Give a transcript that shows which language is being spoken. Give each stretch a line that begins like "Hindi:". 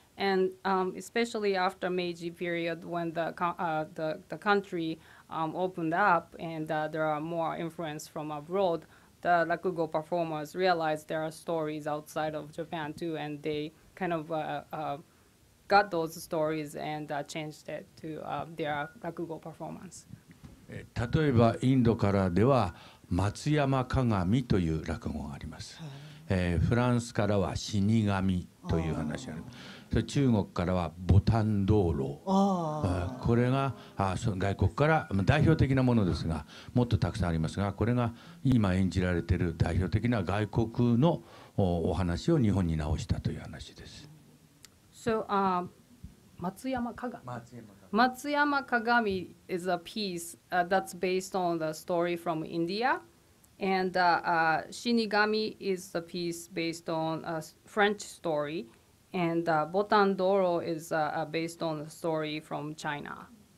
English: And especially after Meiji period, when the country opened up and there are more influence from abroad, the Rakugo performers realized there are stories outside of Japan too, and they kind of got those stories and changed it to their Rakugo performance.
Japanese: 例えばインドからでは松山鏡という落語があります、フランスからは死神という話があります。中国からはボタン道路、これが外国から代表的なものですが、もっとたくさんありますが、これが今演じられている代表的な外国のお話を日本に直したという話です。
English: So, 松山鏡 is a piece that's based on the story from India, and Shinigami is a piece based on a French story, and Botan Doro is based on a story from China.